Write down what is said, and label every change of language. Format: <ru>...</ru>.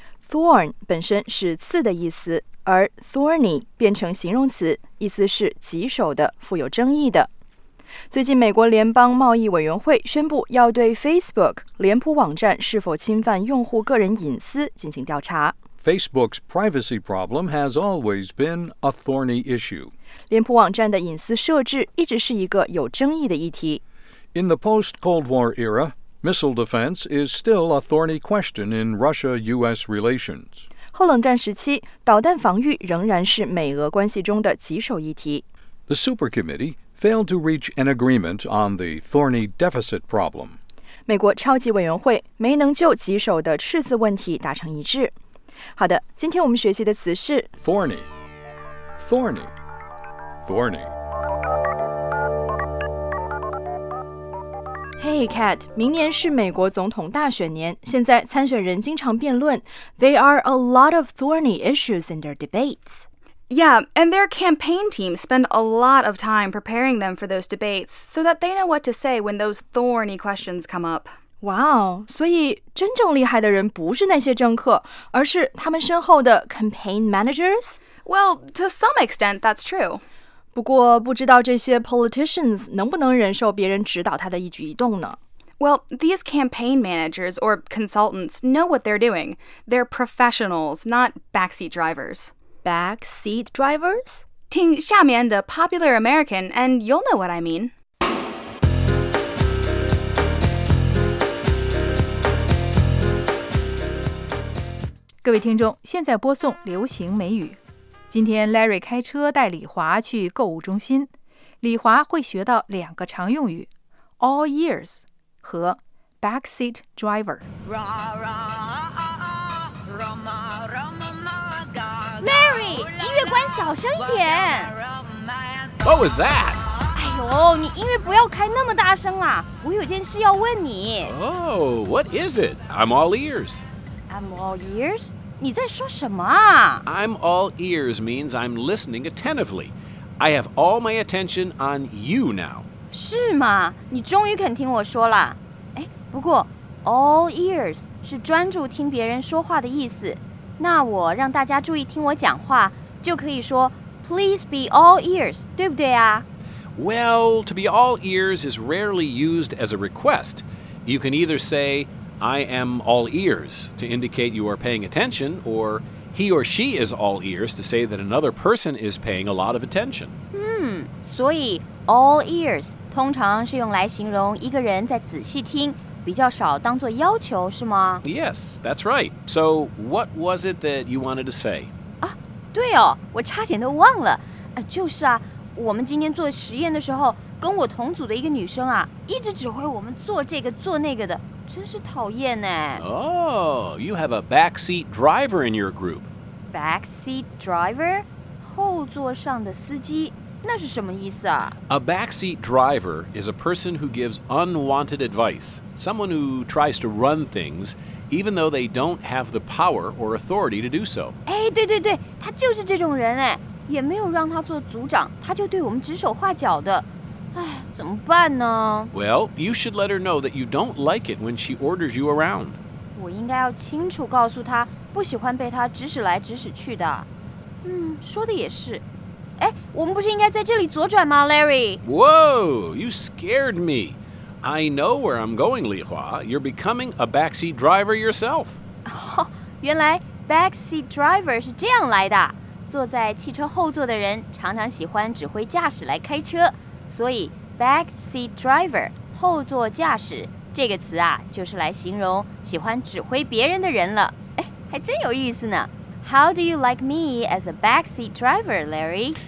<zh>Thorn 本身是刺的意思，而 thorny 变成形容词，意思是棘手的、富有争议的。最近美国联邦贸易委员会宣布要对 Facebook 脸谱网站是否侵犯用户个人隐私进行调查。</zh> <en>Facebook's privacy problem has always been a thorny issue.</en> <zh>脸谱网站的隐私设置一直是一个有争议的议题。</zh> <en>In the post-Cold War era, missile defense is still a thorny question in Russia-U.S. relations.</en> <zh>后冷战时期，导弹防御仍然是美俄关系中的棘手议题。</zh> <en>The Super Committee failed to reach an agreement on the thorny deficit problem.</en> <zh>美国超级委员会没能就棘手的赤字问题达成一致。好的，今天我们学习的词是</zh> <en>thorny, thorny, thorny.</en> <zh>Hey, Kat, 明年是美国总统大选年，现在参选人经常辩论。</zh> <en>There are a lot of thorny issues in their debates. Yeah, and their campaign team spend a lot of time preparing them for those debates so that they know what to say when those thorny questions come up.</en> <zh>Wow, 所以真正厉害的人不是那些政客，而是他们身后的 campaign managers?</zh> <en>Well, to some extent, that's true.</en> <zh>不过不知道这些 politicians 能不能忍受别人指导他的一举一动呢?</zh> <en>Well, these campaign managers or consultants know what they're doing. They're professionals, not backseat drivers. Backseat drivers?</en> <zh>听下面的</zh> <en>popular American and you'll know what I mean.</en> <zh>各位听众，现在播送流行美语。今天 Larry 开车带李华去购物中心，李华会学到两个常用语 All ears 和 Backseat driver。 Larry， 音乐关小声一点。</zh> <en>What was that？</en> <zh>哎呦，你音乐不要开那么大声啦，我有件事要问你。</zh> <en>Oh， what is it？ I'm all ears。 I'm all ears？</en> <zh>你在说什么啊?</zh> <en>I'm all ears means I'm listening attentively. I have all my attention on you now.</en> <zh>是吗?你终于肯听我说了。哎,不过 all ears 是专注听别人说话的意思。那我让大家注意听我讲话,就可以说</zh> <en>please be all ears,</en> <zh>对不对啊?</zh> <en>Well, to be all ears is rarely used as a request. You can either say,I am all ears, to indicate you are paying attention, or he or she is all ears, to say that another person is paying a lot of attention.</en> <zh>Hmm, 所以 all ears 通常是用来形容一个人在仔细听，比较少当作要求，是吗？</zh> <en>Yes, that's right. So, what was it that you wanted to say?</en> <zh>啊，对哦，我差点都忘了。就是啊，我们今天做实验的时候，跟我同组的一个女生啊，一直指挥我们做这个，做那个的。真是讨厌哎。</zh> <en>Oh, you have a backseat driver in your group. Backseat driver?</en> <zh>后座上的司机，那是什么意思啊?</zh> <en>A backseat driver is a person who gives unwanted advice. Someone who tries to run things, even though they don't have the power or authority to do so.</en> <zh>哎，对对对，他就是这种人哎，也没有让他做组长，他就对我们指手画脚的。唉，怎么办呢?</zh> <en>Well, you should let her know that you don't like it when she orders you around.</en> <zh>我应该要清楚告诉她，不喜欢被她指使来指使去的。嗯，说的也是。哎，我们不是应该在这里左转吗, Larry?</zh> <en>Whoa, you scared me. I know where I'm going, Li Hua. You're becoming a backseat driver yourself.</en> <zh>哦，原来 backseat driver 是这样来的。坐在汽车后座的人常常喜欢指挥驾驶来开车，所以 backseat driver 后座驾驶这个词啊，就是来形容喜欢指挥别人的人了。哎，还真有意思呢。</zh> <en>How do you like me as a backseat driver, Larry?</en>